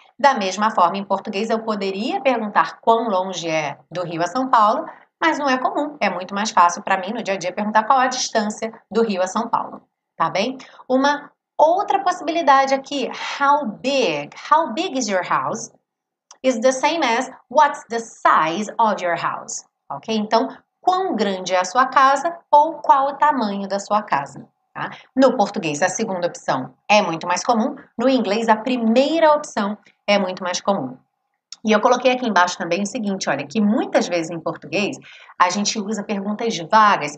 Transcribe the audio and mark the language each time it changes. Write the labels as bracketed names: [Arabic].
[Portuguese] Da mesma forma, em português, eu poderia perguntar quão longe é do Rio a São Paulo, mas não é comum. É muito mais fácil para mim, no dia a dia, perguntar qual a distância do Rio a São Paulo, tá bem? Uma outra possibilidade aqui, [English] how big? How big is your house? Is the same as what's the size of your house, ok? [Portuguese] Então, quão grande é a sua casa ou qual o tamanho da sua casa? Tá? No português, a segunda opção é muito mais comum. No inglês, a primeira opção é muito mais comum. E eu coloquei aqui embaixo também o seguinte, olha, que muitas vezes em português a gente usa perguntas vagas.